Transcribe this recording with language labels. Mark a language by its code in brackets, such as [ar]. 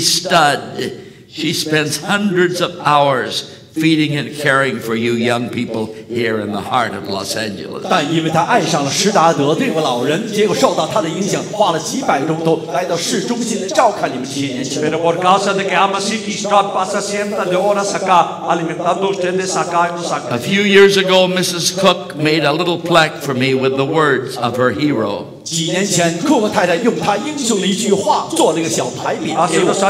[en] Studd, she spends hundreds of hours feeding and caring for you young people here in the heart of Los Angeles. [zh] 但因为她爱上了施达德这位老人，结果受到他的影响，花了几百钟头来到市中心的照看你们青年。A [en] few years ago, Mrs. Cook made a little plaque for me with the words of her hero. [zh] 几年前，库克太太用她英雄的一句话做了一个小牌匾。Mr.